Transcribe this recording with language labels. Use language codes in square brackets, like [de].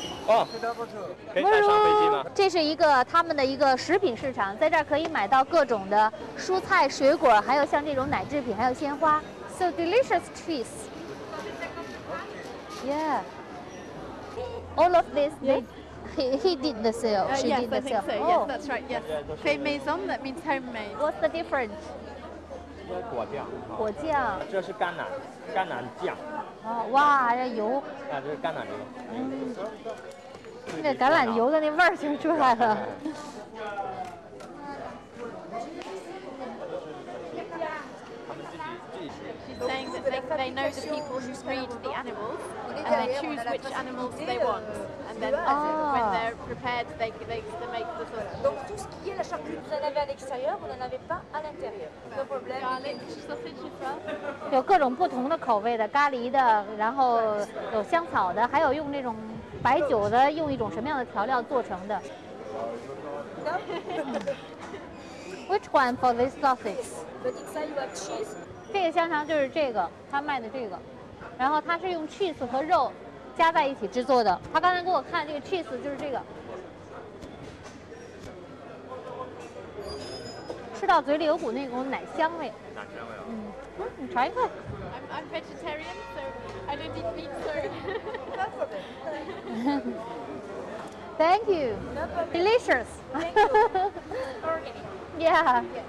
[zh] 哦，可以带上飞机吗？这是一个他们的一个食品市场，在这儿可以买到各种的蔬菜、水果，还有像这种奶制品，还有鲜花。 [en] So delicious trees. Yeah. All of this, he did the sale. She did the sale. Yes, that's right. Yes. [fr] Fait maison, [en] that means homemade. What's the difference? [zh] 果酱。果酱。这是甘榄，甘榄酱。哦，哇，这油。啊，这是甘榄油。嗯。那橄榄油的那味儿就出来了。 [en] Saying that they know the people who breed the animals, and they choose which animals they want, and then when they're prepared, they make the sauce. [fr] Donc tout ce qui est la charcuterie, vous en avez à l'extérieur, vous n'en avez pas à l'intérieur. [en] No problem. Garlic, sausage, fries. [zh] 有各种不同的口味的，咖喱的，然后有香草的，还有用那种白酒的，用一种什么样的调料做成的 ？ [en] Which one for this sausage? But inside you have cheese. [zh] 这个香肠就是这个，他卖的这个，然后他是用 cheese 和肉加在一起制作的。他刚才给我看这个 cheese 就是这个，吃到嘴里有股那种奶香味。奶香味啊！嗯，你尝一口。 [en] I'm vegetarian, so I don't eat meat, sorry. Thank you. Delicious. Organic. Yeah.